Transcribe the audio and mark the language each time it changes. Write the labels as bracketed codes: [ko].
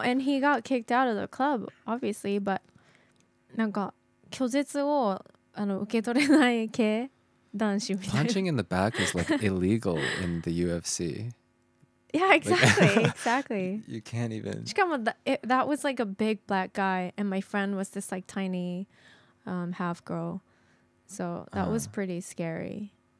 [en] And he got kicked out of the club, obviously, but... [ja] なんか拒絶をあの受け取れない系男子みたいな。 [en] Punching in the back is like illegal in the UFC. Yeah, exactly, like, exactly. You can't even... [ja] しかも [en] that was like a big black guy and my friend was this like tiny half girl. So that was pretty scary.